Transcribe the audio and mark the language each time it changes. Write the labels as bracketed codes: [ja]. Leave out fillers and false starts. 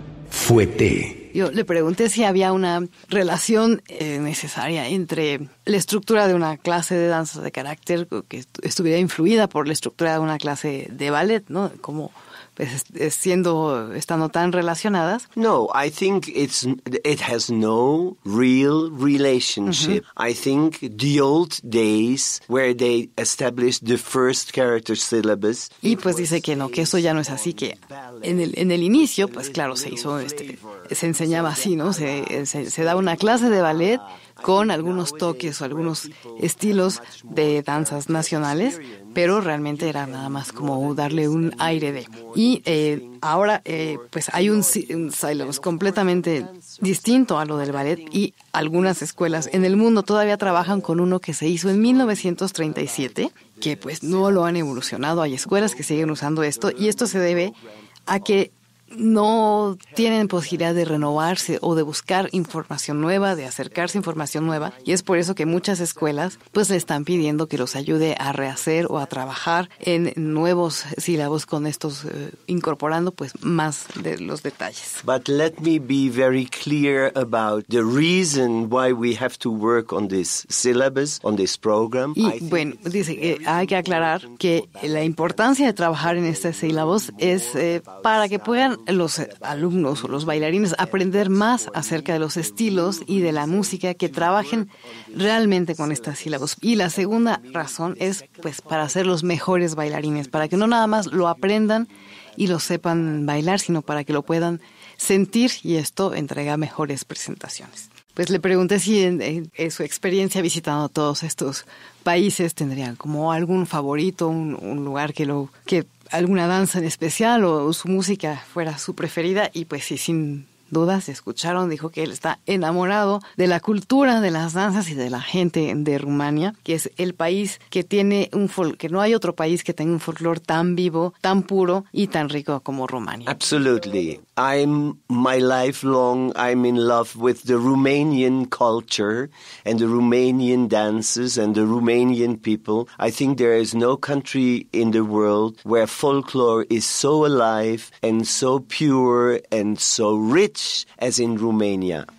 [fr] Fouetté. [es] Yo le pregunté si había una relación necesaria entre la estructura de una clase de danza de carácter que estuviera influida por la estructura de una clase de ballet, ¿no? Como pues, estando tan relacionadas. [en] No, I think it has no real relationship. Uh-huh. I think the old days where they established the first character syllabus. [es] Y pues dice que no, que eso ya no es así, que en el inicio, pues claro, se hizo se enseñaba así, ¿no? Se da una clase de ballet con algunos toques o algunos estilos de danzas nacionales, pero realmente era nada más como darle un aire de. Y ahora pues hay un syllabus completamente distinto a lo del ballet, y algunas escuelas en el mundo todavía trabajan con uno que se hizo en 1937, que pues no lo han evolucionado. Hay escuelas que siguen usando esto, y esto se debe a que no tienen posibilidad de renovarse o de buscar información nueva, de acercarse a información nueva. Y es por eso que muchas escuelas pues le están pidiendo que los ayude a rehacer o a trabajar en nuevos sílabos con estos, incorporando pues más de los detalles. [en] But let me be very clear about the reason why we have to work on this syllabus, on this program. [es] Y bueno, dice que hay que aclarar que la importancia de trabajar en estos sílabos es para que puedan los alumnos o los bailarines aprender más acerca de los estilos y de la música, que trabajen realmente con estas sílabos. Y la segunda razón es pues para ser los mejores bailarines, para que no nada más lo aprendan y lo sepan bailar, sino para que lo puedan sentir, y esto entrega mejores presentaciones. Pues le pregunté si en su experiencia visitando todos estos países tendrían como algún favorito, un lugar que alguna danza en especial o su música fuera su preferida, y pues sí, sin duda se escucharon. Dijo que él está enamorado de la cultura de las danzas y de la gente de Rumania, que es el país que tiene que no hay otro país que tenga un folclore tan vivo, tan puro y tan rico como Rumania. [en] Absolutely. I'm in love with the Romanian culture and the Romanian dances and the Romanian people. I think there is no country in the world where folklore is so alive and so pure and so rich as in Romania.